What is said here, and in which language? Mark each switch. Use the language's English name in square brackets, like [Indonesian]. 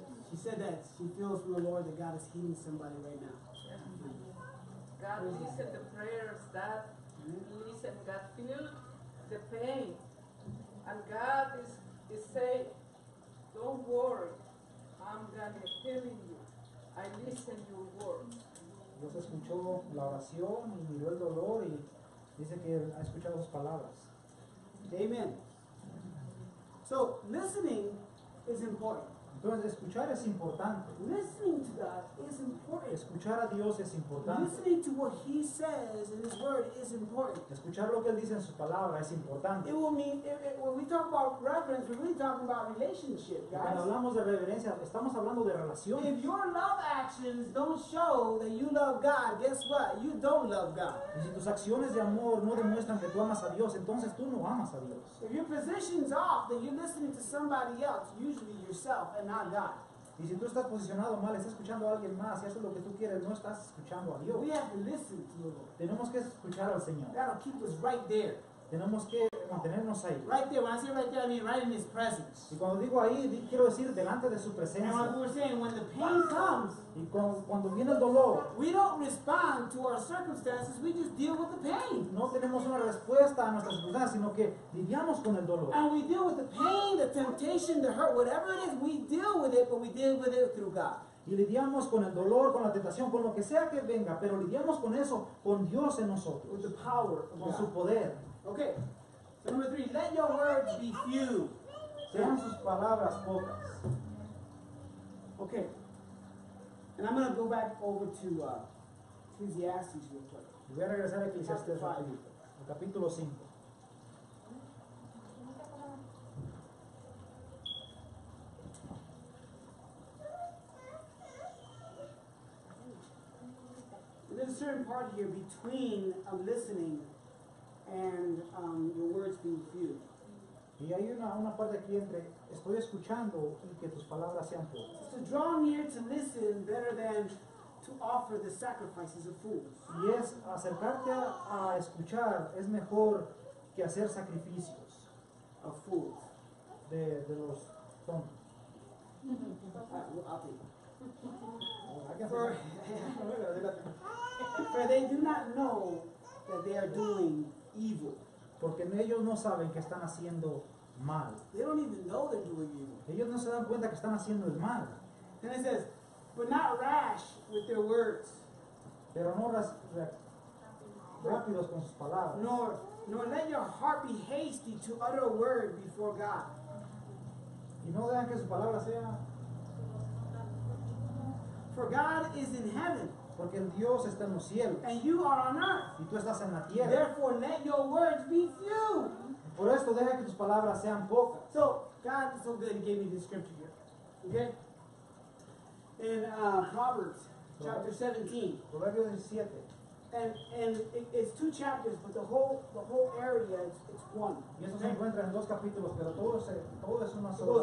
[English] She said that she feels from the Lord that God is healing somebody right now. God listen to the prayers that listen. God feel the pain. And God is He said, don't worry, I'm going to heal you. I listen to your words. [Spanish] Dios escuchó la oración y miró el dolor y dice que él ha escuchado sus palabras. [English] Amen. So, listening is important. [Spanish] Entonces, escuchar es importante. [English] Listening to God is important. [Spanish] Escuchar a Dios es importante. [English] Listening to what He says in His Word is important. [Spanish] Escuchar lo que Él dice en su palabra es importante. [English] It will mean, when we talk about reverence, we're really talking about relationship, guys. [Spanish] Cuando hablamos de reverencia, estamos hablando de relaciones. [English] If your love actions don't show that you love God, guess what? You don't love God. [Spanish] Y si tus acciones de amor no demuestran que tú amas a Dios, entonces tú no amas a Dios. [English] If your position's off, then you're listening to somebody else, usually yourself. And not God. [Spanish] Y si tú estás posicionado mal, estás escuchando a alguien más, y eso es lo que tú quieres, no estás escuchando a Dios. [English] We have to listen to the Lord. [Spanish] Tenemos que escuchar al Señor. [English] That'll keep us right there. [Spanish] Tenemos que mantenernos ahí. [English] Right there, when I say right there, I mean right in His presence. [Spanish] Y cuando digo ahí, quiero decir delante de su presencia. [English] And like we're saying, when the pain comes, [Spanish] y cuando viene el dolor, [English] we don't respond to our circumstances, we just deal with the pain. [Spanish] No tenemos una respuesta a nuestras circunstancias, sino que lidiamos con el dolor. [English] And we deal with the pain, the temptation, the hurt, whatever it is, we deal with it, but we deal with it through God. [Spanish] Y lidiamos con el dolor, con la tentación, con lo que sea que venga, pero lidiamos con eso, con Dios en nosotros. [English] With the power of [Spanish] con [English] God. [Spanish] Su poder. [English] Okay, so number three, let your words be few. [Spanish] Sean sus palabras pocas. [English] Okay, and I'm going to go back over to Ecclesiastes real quick. [Spanish] Voy a regresar a Ecclesiastes al capítulo 5. [English] There's a certain part here between of listening and your words being few. [Spanish] Y hay una parte aquí entre estoy escuchando y que tus palabras sean pocas. [English] To draw near to listen better than to offer the sacrifices of fools. [Spanish] Y es acercarte a escuchar es mejor que hacer sacrificios. [English] Of fools. [Spanish] De los tontos. [English] For they do not know that they are doing evil. [Spanish] Porque ellos no saben que están haciendo mal. [English] They don't even know they're doing evil. [Spanish] Ellos no se dan cuenta que están haciendo el mal. [English] Then it says, but not rash with their words. [Spanish] Pero no rápidos con sus palabras. [English] Nor let your heart be hasty to utter a word before God. [Spanish] Y no dejan que su palabra sea. [English] For God is in heaven. [Spanish] Porque el Dios está en los cielos. [English] And you are on earth. [Spanish] Y tú estás en la tierra. [English] Therefore, let your words be few. [Spanish] Por esto, deja que tus palabras sean pocas. [English] So, God is so good, He gave me this scripture here. Okay? In Proverbs, chapter 17. [Spanish] Proverbios 17. [English] And it's two chapters, but the whole area, it's one. [Spanish] Y eso se encuentra en dos capítulos, pero todo es una sola.